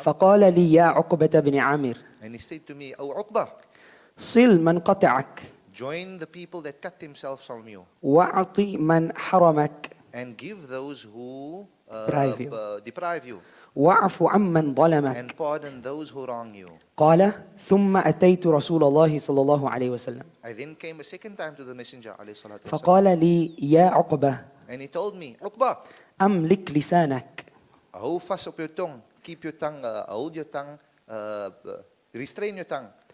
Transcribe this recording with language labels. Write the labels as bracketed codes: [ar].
[ar] فقال لي يا عقبة بن عامر. [en] And he said to me, أو عقبة. [ar] صل من قطعك. [en] Join the people that cut themselves from you. [ar] وأعطي من حرمك. [en] And give those who deprive you. [ar] وأعف عمن ظلمك. [en] And pardon those who wrong you. [ar] قال ثم أتيت رسول الله صلى الله عليه وسلم. [en] I then came a second time to the messenger عليه الصلاة والسلام. [ar] فقال لي يا عقبة. [en] And he told me, عقبة. [ar] أملك لسانك. [en] Hold fast up your tongue, keep your tongue, hold your tongue, restrain your tongue.